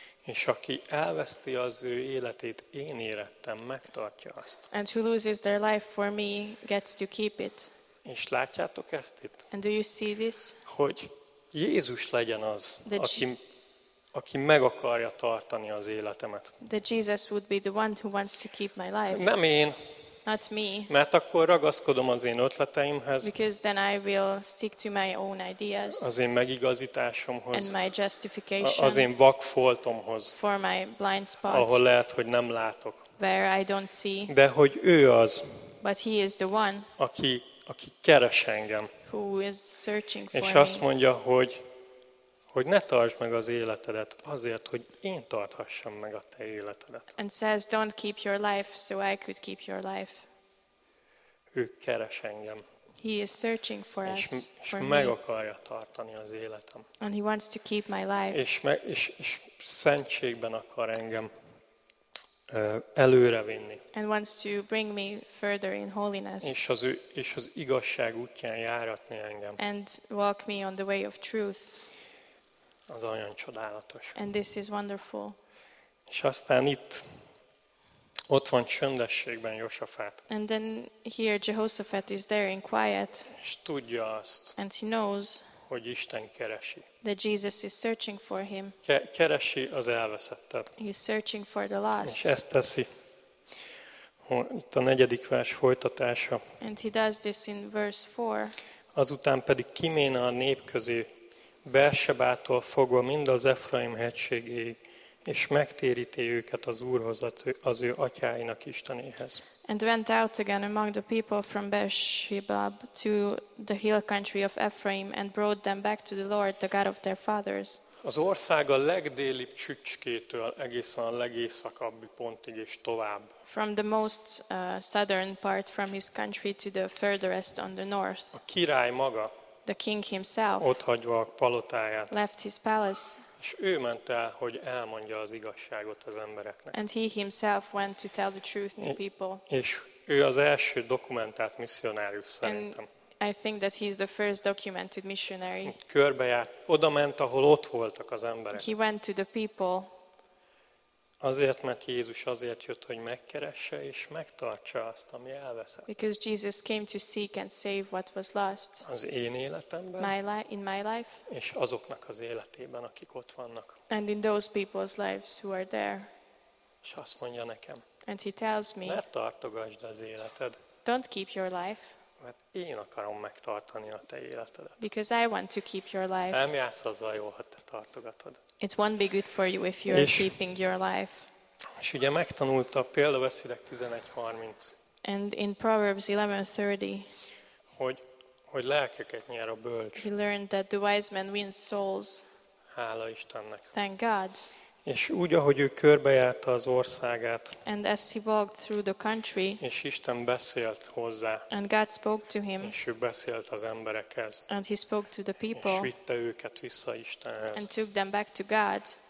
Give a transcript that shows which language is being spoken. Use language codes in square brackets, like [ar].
[hu] És aki elveszti az ő életét, én érettem, megtartja azt. [en] And who loses their life for me gets to keep it. [hu] És látjátok ezt itt? [en] And do you see this? [hu] Hogy Jézus legyen az, aki meg akarja tartani az életemet. [en] That Jesus would be the one who wants to keep my life. [hu] Nem én. [en] Not me. [hu] Mert akkor ragaszkodom az én ötleteimhez. [en] Because then I will stick to my own ideas. [hu] Az én megigazításomhoz. [en] And my justification. [hu] Az én vakfoltomhoz. [en] For my blind spot. [hu] Ahol lehet, hogy nem látok. [en] Where I don't see. [hu] De hogy ő az. [en] But he is the one. [hu] Aki keres engem. [en] Who is searching for me. [hu] És azt mondja, hogy ne tartsd meg az életedet azért, hogy én tarthassam meg a te életedet. [en] And says, don't keep your life so I could keep your life. [hu] Ő keres engem. [en] He is searching for us. [hu] És meg akarja tartani az életem. [en] And he wants to keep my life. [hu] És szentségben akar engem előre vinni. [en] And wants to bring me further in holiness. [hu] És az igazság útján járatni engem. [en] And walk me on the way of truth. [hu] Az olyan csodálatos. [en] And this is wonderful. [hu] És aztán itt ott van csöndességben Jósafát. [en] And then here Jehoshaphat is there in quiet. [hu] És tudja azt. [en] And he knows. [hu] Hogy Isten keresi. [en] That Jesus is searching for him. [hu] Keresi az elveszettet. [en] He is searching for the lost. [hu] És ezt teszi. Itt a negyedik vers folytatása. [en] And he does this in verse 4. [hu] Azután pedig kiméne a nép közé. Beersebától fogva mind az Efraim hegységéig, és megtéríti őket az Úrhoz, az ő atyáinak Istenéhez. [en] And went out again among the people from Beersheba to the hill country of Ephraim and brought them back to the Lord, the God of their fathers. [hu] Az ország a legdélibb csücskétől egészen a legészakabbi pontig és tovább. [en] From the most southern part from his country to the furthest on the north. [hu] A király maga. [en] The king himself [hu] otthagyva a palotáját, [en] left his palace. [hu] És ő ment el, hogy elmondja az igazságot az embereknek. [en] And he himself went to tell the truth to people. [hu] És ő az első dokumentált missionárius szerintem. [en] And I think that he's the first documented missionary. [hu] Körbejárt, oda ment, ahol ott voltak az emberek. [en] He went to the people. [hu] Azért, mert Jézus azért jött, hogy megkeresse és megtartsa azt, ami elveszett. [en] Because Jesus came to seek and save what was lost. [hu] Az én életemben. [en] In my life. [hu] És azoknak az életében, akik ott vannak. [en] And in those people's lives who are there. [hu] És azt mondja nekem. [en] And he tells me. [hu] Ne tartogasd az életed. [en] Don't keep your life. [hu] Mert én akarom megtartani a te életedet. [en] Because I want to keep your life. [hu] Nem jársz azzal jól, ha te tartogatod. [en] It won't be good for you if you're keeping your life. [hu] És ugye megtanulta a Példabeszédek 11:30. [en] And in Proverbs 11:30. [hu] Hogy lelkeket nyer a bölcs. [en] He learned that the wise man wins souls. [hu] Hála Istennek. [en] Thank God. [hu] És úgy, ahogy ő körbejárta az országát. [en] And as he walked through the country. [hu] És Isten beszélt hozzá. [en] And God spoke to him. [hu] És ő beszélt az emberekhez. [en] And he spoke to the people. [hu] És vitte őket vissza Istenhez. [en] And took them back to God.